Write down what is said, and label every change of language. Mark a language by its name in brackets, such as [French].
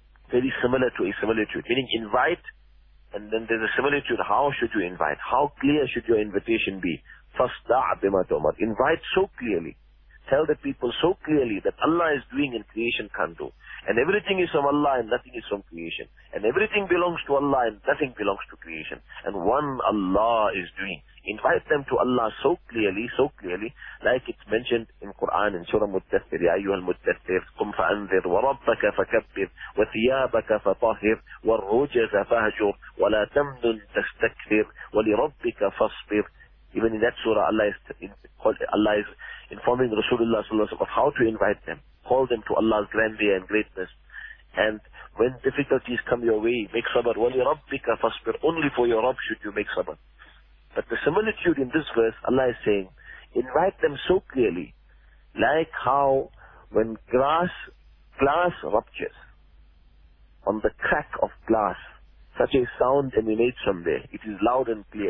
[English] Very similar to a similitude. Meaning invite. And then there's a similitude. How should you invite? How clear should your invitation be? [Arabic] فَاسْدَعْ بِمَا تُعْمَرْ. [English] Invite so clearly. Tell the people so clearly that Allah is doing and creation can't do. And everything is from Allah and nothing is from creation. And everything belongs to Allah and nothing belongs to creation. And one Allah is doing. Invite them to Allah so clearly, like it's mentioned in Quran in Surah Muddathir, [Arabic] يَا أَيُّهَا الْمُدَّثِّرِ قُمْ فَأَنذِرْ وَرَبَّكَ فَكَبِّرْ وَثِيَابَكَ فَطَهِرْ وَالرُّجَزَ فَهَجُرْ وَلَا تَمْنُنْ تَسْتَكْثِرْ وَلِرَبِّكَ فَصْبِرْ. [English] Even in that surah, Allah is informing Rasulullah sallallahu alaihi wasallam how to invite them. Call them to Allah's grandeur and greatness. And when difficulties come your way, make sabr. [Arabic] وَلِرَبِّكَ فَصْبِرْ. [English] Only for your Rabb should you make sabr. But the similitude in this verse, Allah is saying, invite them so clearly, like how when glass ruptures, on the crack of glass, such a sound emanates from there. It is loud and clear.